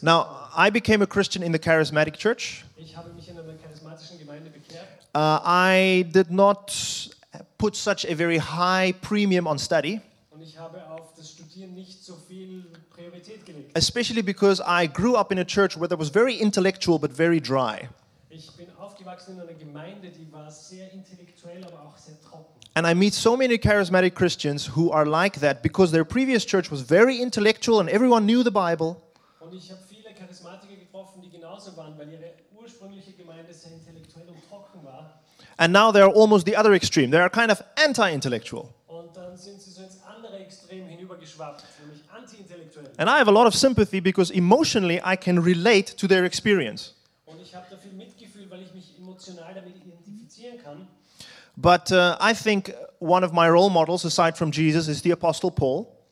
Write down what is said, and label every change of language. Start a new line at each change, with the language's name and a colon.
English: Now, I became a Christian in the charismatic church.
German: Ich habe mich in einer charismatischen Gemeinde bekehrt.
English: I did not put such a very high premium on study.
German: Und ich habe auf das Studieren nicht so viel Priorität gelegt.
English: Especially because I grew up in a church where there was very intellectual but very dry.
German: Ich bin aufgewachsen in einer Gemeinde, die war sehr intellektuell, aber auch sehr trocken.
English: And I meet so many charismatic Christians who are like that because their previous church was very intellectual and everyone knew the Bible.
German: Und ich habe viele Charismatiker getroffen, die genauso waren, weil ihre ursprüngliche Gemeinde sehr intellektuell und trocken war.
English: And now they are almost the other extreme. They are kind of anti-intellectual.
German: Und dann sind sie so ins andere Extrem hinübergeschwappt, nämlich anti-intellektuell.
English: And I have a lot of sympathy because emotionally I can relate to their experience.
German: Und ich habe da viel Mitgefühl, weil ich mich emotional damit identifizieren kann.
English: But I think one of my role models, aside from Jesus, is the Apostle Paul.